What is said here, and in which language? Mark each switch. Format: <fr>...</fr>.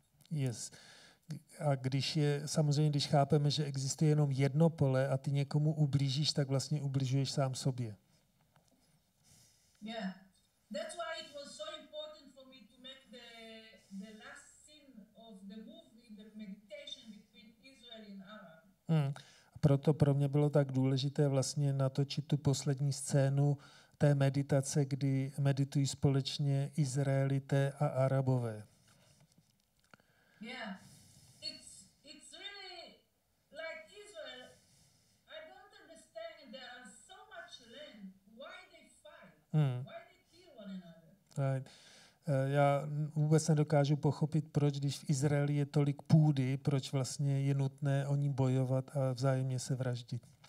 <cs>Yes. A když je, samozřejmě, když chápeme, že existuje jenom jedno pole a ty někomu ublížíš, tak vlastně ublížuješ sám sobě.</cs> <en>Yeah. That's why it was so important for me to make the last scene of the movie, the meditation between Israel and Aram.</en> <cs>Proto pro mě bylo tak důležité vlastně natočit tu poslední scénu té meditace, kdy meditují společně Izraelité a Arabové.</cs> <en>Yeah. It's really like Israel. I don't understand, there are so much land. Why they fight? Why they kill one another? Right.</en> <cs>Já vůbec nedokážu pochopit, proč když v Izraeli je tolik půdy, proč vlastně je nutné o ní bojovat a vzájemně se vraždit.</cs>